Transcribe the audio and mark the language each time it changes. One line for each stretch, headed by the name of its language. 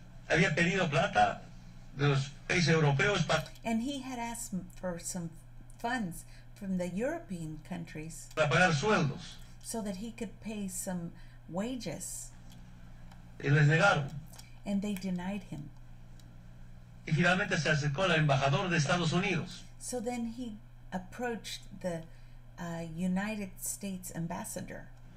Spanish: Había pedido plata de los países europeos para.
English: And he had asked for some funds from the European countries.
Spanish: Para pagar sueldos.
English: So that he could pay some wages.
Spanish: Y les negaron.
English: And they denied him.
Spanish: Y finalmente se acercó al embajador de Estados Unidos.
English: So then he approached the United States ambassador.